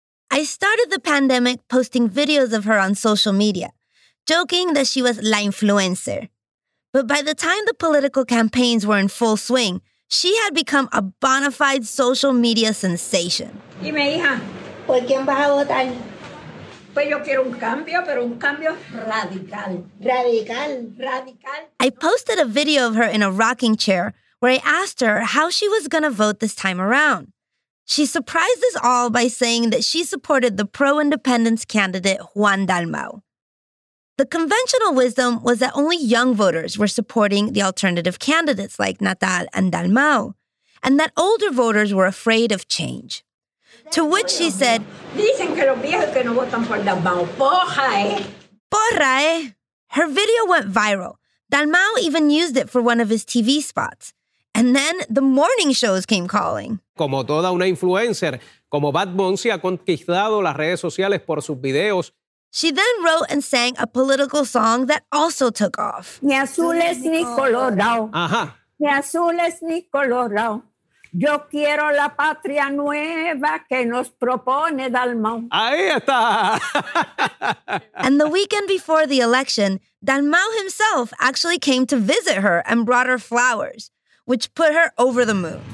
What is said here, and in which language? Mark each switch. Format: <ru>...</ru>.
<en>I started the pandemic posting videos of her on social media, joking that she was</en> <es>la influencer.</es> <en>But by the time the political campaigns were in full swing, she had become a bona fide social media sensation.</en> <es>Dime, hija, ¿por quién vas a votar? Pues yo quiero un cambio, pero un cambio radical. Radical. Radical.</es> <en>I posted a video of her in a rocking chair where I asked her how she was going to vote this time around. She surprised us all by saying that she supported the pro-independence candidate Juan Dalmau. The conventional wisdom was that only young voters were supporting the alternative candidates like Natal and Dalmau, and that older voters were afraid of change. To which she said,</en> <es>porra, eh?</es> <en>Her video went viral. Dalmau even used it for one of his TV spots. And then the morning shows came calling.</en> <es>Como toda una influencer, como Bad Bunny ha conquistado las redes sociales por sus videos.</es> <en>She then wrote and sang a political song that also took off.</en> <es>Ni azul es ni colorado. Ajá. Ni azul es ni colorado. Yo quiero la patria nueva que nos propone Dalmau. Ahí está.</es> <en>And the weekend before the election, Dalmau himself actually came to visit her and brought her flowers, which put her over the moon.</en>